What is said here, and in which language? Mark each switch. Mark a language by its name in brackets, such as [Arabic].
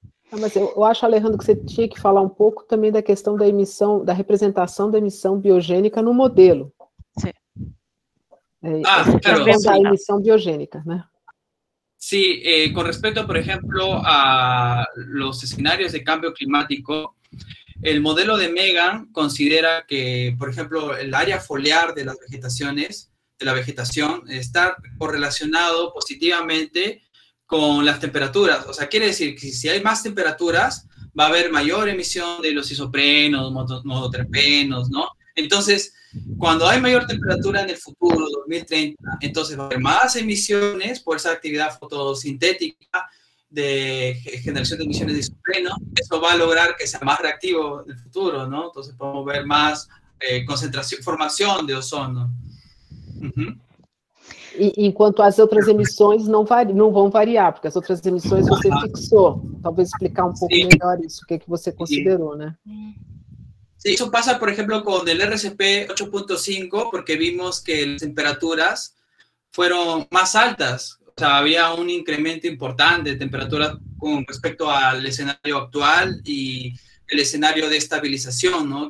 [Portuguese] Não, mas eu acho, Alejandro, que você tinha que falar um pouco também da questão da emissão, da representação da emissão biogênica no modelo. Sim. Da emissão biogênica, né? [Spanish] Sí, con respecto, por ejemplo, a los escenarios de cambio climático, el modelo de Megan considera que, por ejemplo, el área foliar de las vegetaciones, de la vegetación, está correlacionado positivamente con las temperaturas. O sea, quiere decir que si hay más temperaturas, va a haber mayor emisión de los isoprenos, mototerpenos, ¿no? Entonces, cuando hay mayor temperatura en el futuro, 2030, entonces va a haber más emisiones por esa actividad fotosintética de generación de emisiones de isopreno. Eso va a lograr que sea más reactivo en el futuro, ¿no? Entonces podemos ver más concentración, formación de ozono. Uh-huh. [Portuguese] Enquanto as outras emissões não vão variar, porque as outras emissões você fixou. Talvez explicar pouco melhor isso, que você considerou, né? [Spanish] Sí, eso pasa, por ejemplo, con el RCP 8.5, porque vimos que las temperaturas fueron más altas. O sea, había un incremento importante de temperaturas con respecto al escenario actual y el escenario de estabilización, ¿no?